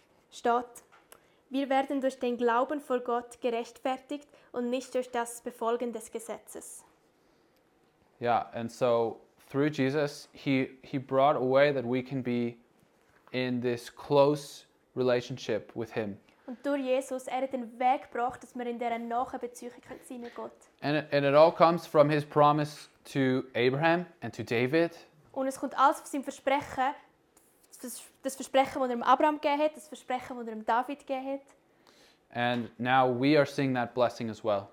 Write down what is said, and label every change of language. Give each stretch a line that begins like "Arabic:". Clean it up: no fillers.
German: Steht, wir werden durch den Glauben vor Gott gerechtfertigt und nicht durch das Befolgen des Gesetzes.
English: Yeah, and so through Jesus, he brought a way that we can be in this close relationship with him.
German: Und durch Jesus, er hat den Weg gebracht, dass wir in dieser nahen Beziehung können sein mit Gott.
English: And it all comes from his promise to Abraham and to David.
German: Und es kommt alles von seinem Versprechen, das Versprechen, das er Abraham gegeben hat, das Versprechen, das er David gegeben hat.
English: And now we are seeing that blessing as well.